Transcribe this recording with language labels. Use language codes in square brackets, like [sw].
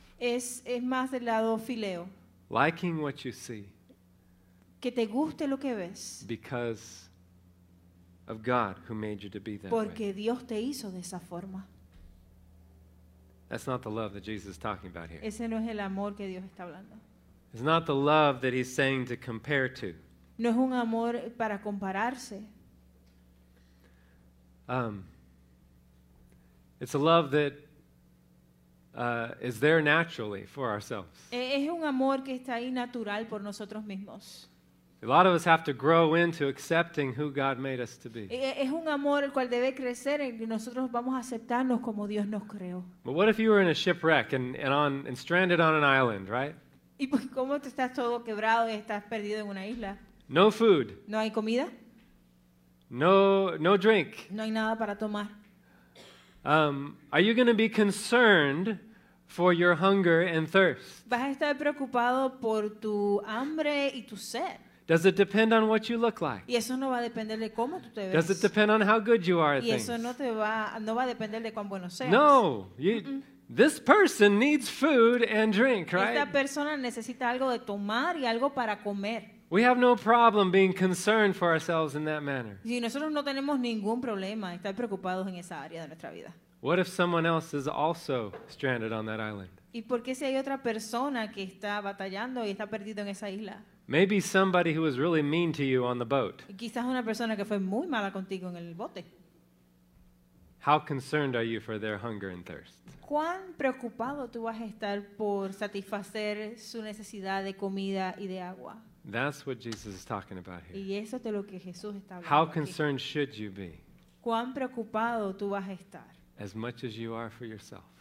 [es] Es más del lado phileo. [en] Liking what you see. [es] Que te guste lo que ves. [en] Because of God who made you to be that [es] porque [en] way. [es] Dios te hizo de esa forma. [en] That's not the love that Jesus is talking about here. [es] Ese no es el amor que Dios está hablando. [en] It's not the love that he's saying to compare to. [es] No es un amor para compararse. [en] It's a love that is there naturally for ourselves. [es] Es un amor que está ahí natural por nosotros mismos. [en] A lot of us have to grow into accepting who God made us to be. [es] Es un amor el cual debe crecer y nosotros vamos a aceptarnos como Dios nos creó. [en] But what if you were in a shipwreck and stranded on an island, right? [es] ¿Y cómo te estás todo quebrado y estás perdido en una isla? [en] No food. [es] ¿No hay comida? [en] No drink. [es] No hay nada para tomar. [en] Are you going to be concerned for your hunger and thirst? [es] ¿Vas a estar preocupado por tu hambre y tu sed? [en] Does it depend on what you look like? [es] Y eso no va a depender de cómo tú te ves. [en] Does it depend on how good you are at things? [es] Y eso no va a depender de cuán bueno seas. [en] No. This person needs food and drink, right? [es] Esta persona necesita algo de tomar y algo para comer. [en] We have no problem being concerned for ourselves in that manner. [es] Y nosotros no tenemos ningún problema estar preocupados en esa área de nuestra vida. [en] What if someone else is also stranded on that island? [es] ¿Y por qué si hay otra persona que está batallando y está perdido en esa isla? [en] Maybe somebody who was really mean to you on the boat. [es] Quizás una persona que fue muy mala contigo en el bote. [en] How concerned are you for their hunger and thirst? [es] ¿Cuán preocupado tú vas a estar por satisfacer su necesidad de comida y de agua? [en] That's what Jesus is talking about here. [es] Y eso es lo que Jesús está hablando. [en] How concerned should you be? [es] ¿Cuán preocupado tú vas a estar? [en] As much as you are for yourself.